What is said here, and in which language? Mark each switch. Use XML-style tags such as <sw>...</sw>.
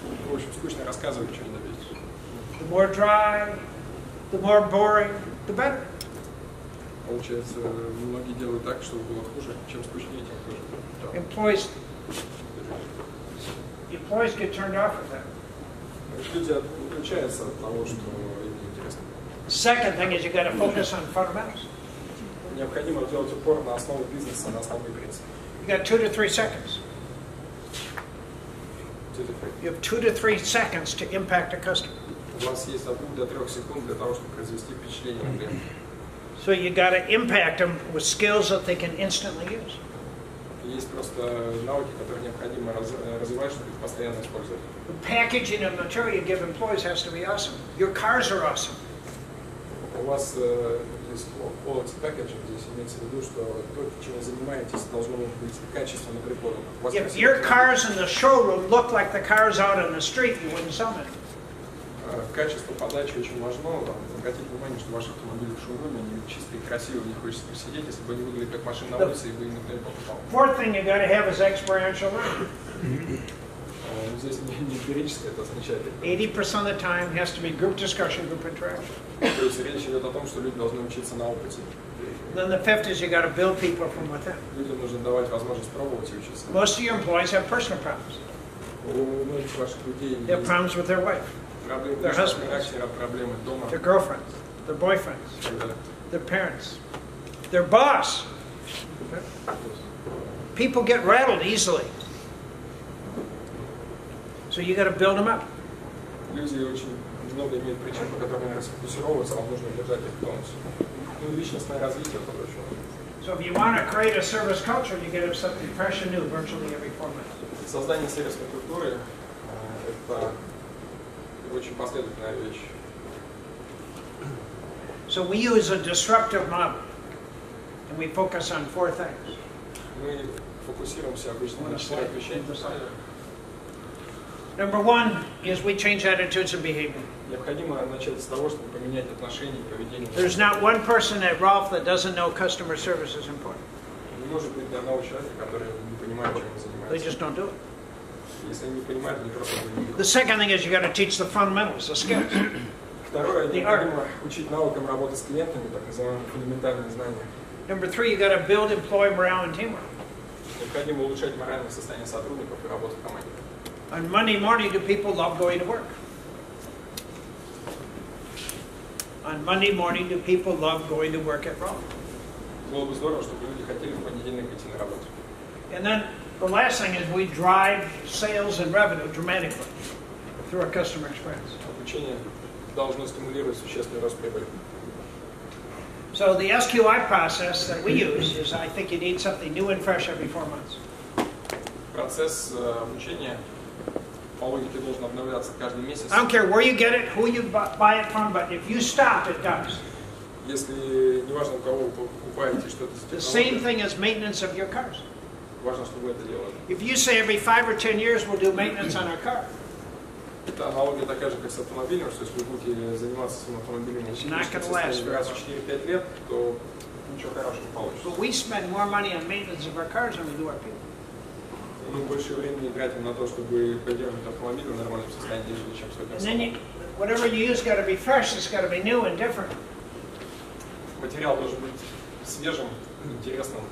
<ru>В общем, скучно рассказывать, чего не добиться.</ru> <en>The more dry, the more boring, the better.</en> <ru>Получается, многие делают так, чтобы было хуже, чем скучнее, тем хуже.</ru> <en>Employees get turned off of that.</en> <ru>Люди отключаются от того, что им интересно.</ru> <en>Second thing is you got to focus on fundamentals.</en> <ru>Необходимо делать упор на основы бизнеса, на основные принципы.</ru> <en>You got 2 to 3 seconds. You have 2 to 3 seconds to impact a customer.</en> <ru>У вас есть от 2 до 3 секунд для того, чтобы произвести впечатление на клиента.</ru> <en>So you got to impact them with skills that they can instantly use.</en> <ru>Есть просто навыки, которые необходимо развивать, чтобы их постоянно использовать.</ru> <en>The packaging of material you give employees has to be awesome. Your cars are awesome.</en> <ru>У вас полностью packaging, здесь имеется в виду, что то, чем вы занимаетесь, должно быть качественно приподано.</ru> <en>If your cars in the showroom look like the cars out on the street, you wouldn't sell them.</en> <ru>Качество подачи очень важно. Обратите внимание, что ваши автомобили в шоуруме, они чистые, красивые, не хочется их сидеть, если бы они выглядели как машины на улице, и вы их никто не покупал.</ru> <en>Fourth thing you got to have is experiential learning.</en> <ru>Здесь не теоретическое, это означает.</ru> <en>80% of the time has to be group discussion, group interaction.</en> <ru>То есть речь идет о том, что люди должны учиться на опыте.</ru> <en>Then the fifth is you got to build people from within.</en> <ru>Людям нужно давать возможность пробовать и учиться.</ru> <en>Most of your employees have personal problems.</en> <ru>У многих ваших людей</ru> <en>they have problems with their wife, their husbands, their girlfriends, their boyfriends, their parents, their boss. People get rattled easily. So you got to build them up.</en> <ru>Люди очень много имеют причин, по которым они расфокусировываются, вам нужно держать их в тонусе. Ну и личностное развитие, по большому.</ru> <en>So if you want to create a service culture, you get something fresh and new virtually every 4 months.</en> <ru>Создание сервисной культуры – это очень последовательная вещь.</ru> <en>So we use a disruptive model, and we focus on 4 things.</en> <ru>Мы фокусируемся обычно на 4 вещах.</ru> <en>Number one is we change attitudes and behavior.</en> <ru>Необходимо начать с того, чтобы поменять отношение и поведение.</ru> <en>There's not one person at Ralph that doesn't know customer service is important.</en> <ru>Не может быть ни одного человека, который не понимает, чем он занимается.</ru> <en>They just don't do it.</en> <ru>Если они не понимают, они просто не делают.</ru> <en>The second thing is you got to teach the fundamentals, the skills.</en> <ru>Второе, необходимо учить навыкам работы с клиентами, так называемые фундаментальные знания.</ru> <en>Number three, you got to build employee morale and teamwork.</en> <ru>Необходимо улучшать моральное состояние сотрудников и работу в команде.</ru> <en>On Monday morning, do people love going to work? On Monday morning, do people love going to work at Rome?</en> <ru>Было бы здорово, чтобы люди хотели в понедельник идти на работу.</ru> <en>And then the last thing is we drive sales and revenue dramatically through our customer experience.</en> <ru>Обучение должно стимулировать существенный рост прибыли.</ru> <en>So the SQI process that we use is, I think you need something new and fresh every 4 months.</en> <ru>Процесс обучения. По логике должен обновляться каждый месяц.</ru> <en>I don't care where you get it, who you buy it from, but if you stop, it does.</en> <ru>Если не важно, у кого вы покупаете, что это за технология.</ru> <en>Same thing as maintenance of your cars.</en> <ru>Важно, чтобы вы это делали.</ru> <en>If you say every 5 or 10 years we'll do maintenance on our car.</en> <ru>Это аналогия такая же, как с автомобилем, что если вы будете заниматься своим автомобилем,</ru> <en>it's not gonna last.</en> <ru>Раз в 4-5 лет, то ничего хорошего не получится.</ru> <en>But we spend more money on maintenance of our cars than we do our people.</en> <ru>Мы больше времени тратим на то, чтобы поддерживать автомобиль в нормальном состоянии, чем сколько стоит.</ru> <en>Whatever you use got to be fresh, it's got to be new and different.</en> <ru>Материал должен быть свежим, интересным.</ru>